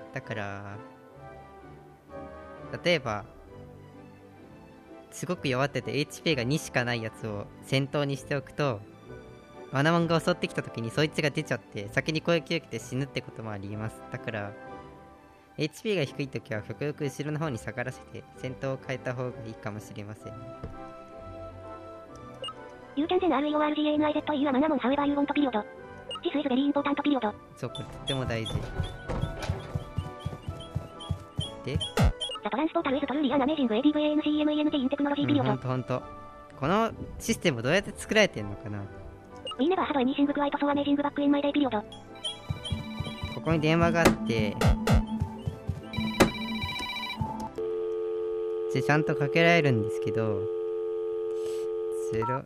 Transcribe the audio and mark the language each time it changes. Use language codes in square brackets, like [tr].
[ja] だから例えばすごく弱ってて HP が2しかないやつを先頭にしておくと、マナモンが襲ってきた時にそいつが出ちゃって先に攻撃を受けて死ぬってこともあります。だからHP が低いときは極力後ろの方に下がらせて戦闘を変えた方がいいかもしれません。 [en] You can then REORGANIZE to you a manamon however you want period. This is very important period. [ja] そう、これとっても大事。で、 [en] The transportal is truly an amazing ADVANCMENT in technology period. [ja] ほんとほんと。このシステムどうやって作られてんのかな。 [en] We never had anything quite so amazing back in my day period. [ja] ここに電話があって、ちゃんとかけられるんですけど、ゼロ